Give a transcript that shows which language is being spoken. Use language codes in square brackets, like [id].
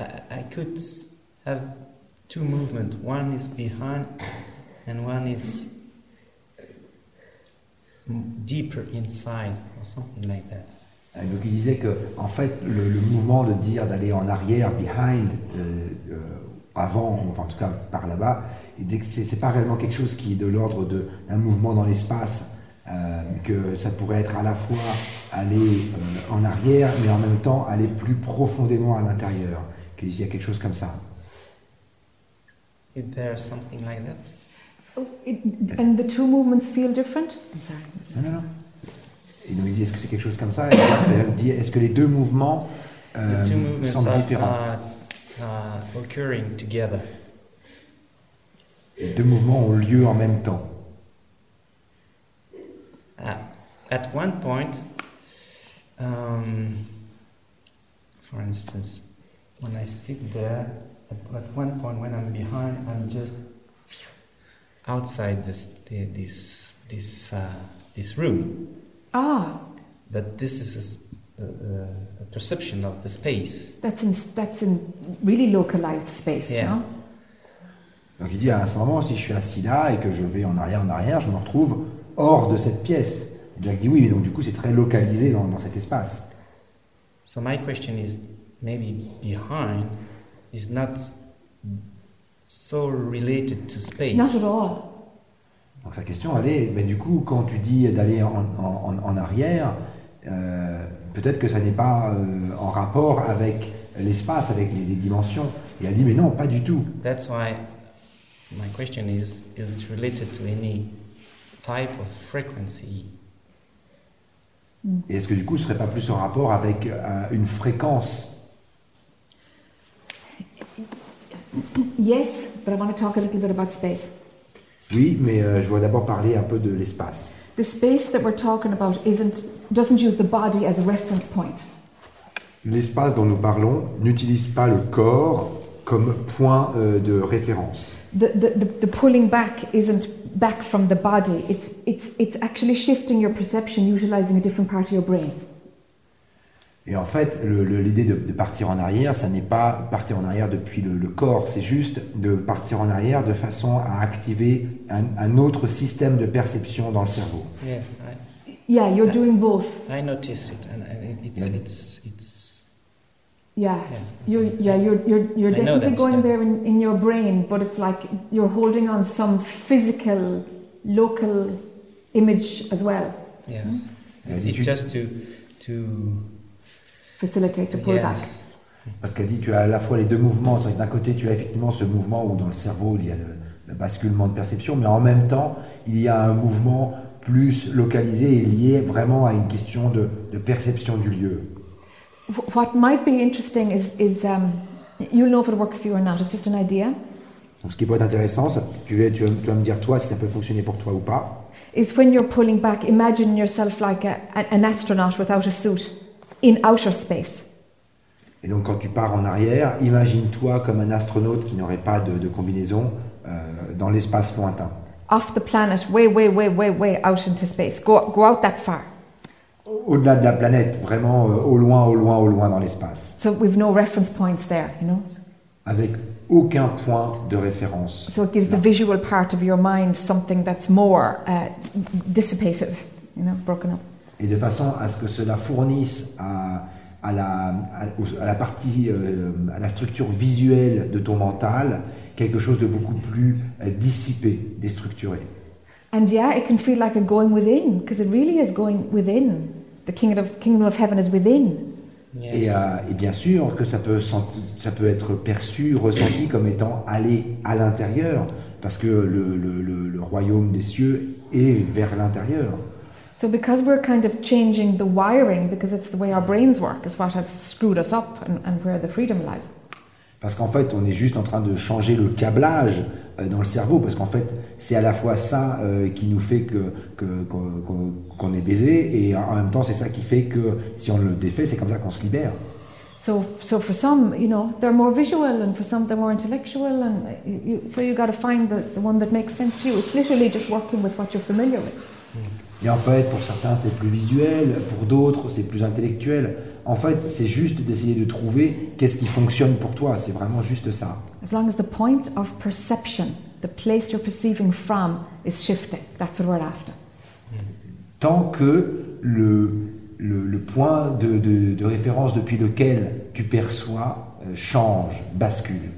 [en] I could have two movements. One is behind and one is deeper inside or something like that. [fr] Donc il disait que en fait le mouvement de dire d'aller en arrière, behind, avant, enfin en tout cas par là-bas, c'est pas réellement quelque chose qui est de l'ordre d'un mouvement dans l'espace, que ça pourrait être à la fois aller en arrière, mais en même temps aller plus profondément à l'intérieur, qu'il y a quelque chose comme ça. [en] Is there something like that? And the two movements feel different? I'm sorry. [fr] Non. Et donc il dit, est-ce que c'est quelque chose comme ça? Et il dit, est-ce que les deux mouvements semblent différents? [en] Occurring together. [fr] Les deux mouvements ont lieu en même temps. [en] At one point, for instance, when I sit there, at one point when I'm behind, I'm just outside this room. Ah. But this is a perception of the space. That's in really localized space, yeah. No? [fr] Donc il dit à ce moment, si je suis assis là et que je vais en arrière, je me retrouve hors de cette pièce. Jack dit oui, mais donc du coup c'est très localisé dans cet espace. [en] So my question is, maybe behind is not so related to space. Not at all. [fr] Donc sa question, elle est, mais du coup quand tu dis d'aller en arrière, peut-être que ça n'est pas en rapport avec l'espace, avec les dimensions. Et elle dit, mais non, pas du tout. [en] That's why my question is it related to any type of frequency? [fr] Et est-ce que du coup, ce serait pas plus en rapport avec une fréquence? [en] Yes, but I want to talk a little bit about space. [fr] Oui, mais je voudrais d'abord parler un peu de l'espace. [en] The space that we're talking about doesn't use the body as a reference point. [fr] L'espace dont nous parlons n'utilise pas le corps comme point de référence. [en] The pulling back isn't back from the body. It's actually shifting your perception, utilizing a different part of your brain. [fr] Et en fait, l'idée de partir en arrière, ça n'est pas partir en arrière depuis le corps, c'est juste de partir en arrière de façon à activer un autre système de perception dans le cerveau. [en] Yeah, you're doing both. I notice it, and it's. You're definitely going there in your brain, but it's like you're holding on some physical, local image as well. Yes, it's just to facilitate, to pull back. [fr] Parce qu'elle dit, tu as à la fois les deux mouvements. C'est-à-dire que d'un côté, tu as effectivement ce mouvement où dans le cerveau il y a le basculement de perception, mais en même temps, il y a un mouvement plus localisé et lié vraiment à une question de perception du lieu. [en] What might be interesting is you'll know if it works for you or not. It's just an idea. [fr] Donc, ce qui peut être intéressant, ça, tu vas me dire toi si ça peut fonctionner pour toi ou pas. [en] Is when you're pulling back, imagine yourself like an astronaut without a suit in outer space. [fr] Et donc, quand tu pars en arrière, imagine-toi comme un astronaute qui n'aurait pas de combinaison dans l'espace lointain. [en] Off the planet, way out into space. Go out that far. [fr] Au-delà de la planète, vraiment au loin dans l'espace. [en] So we've no reference points there, you know. [fr] Avec aucun point de référence. [en] So it gives the visual part of your mind something that's more dissipated, you know, broken up. [fr] Et de façon à ce que cela fournisse à la structure visuelle de ton mental quelque chose de beaucoup plus dissipé, déstructuré. [en] And yeah, it can feel like a going within, because it really is going within. The kingdom of heaven is within. Yes. [fr] Et bien sûr que ça peut être perçu, ressenti comme étant aller à l'intérieur, parce que le royaume des cieux est vers l'intérieur. [en] So because we're kind of changing the wiring, because it's the way our brains work, is what has screwed us up and where the freedom lies. [fr] Parce qu'en fait, on est juste en train de changer le câblage dans le cerveau, parce qu'en fait, c'est à la fois ça qui nous fait qu'on est baisé, et en même temps, c'est ça qui fait que si on le défait, c'est comme ça qu'on se libère. [en] So for some, you know, they're more visual, and for some, they're more intellectual, and you got to find the one that makes sense to you. It's literally just working with what you're familiar with. [fr] Et en fait, pour certains, c'est plus visuel, pour d'autres, c'est plus intellectuel. En fait, c'est juste d'essayer de trouver qu'est-ce qui fonctionne pour toi. C'est vraiment juste ça. [en] As long as the point of perception, the place you're perceiving from, is shifting, that's what we're after. [fr] Tant que le point de référence depuis lequel tu perçois change, bascule.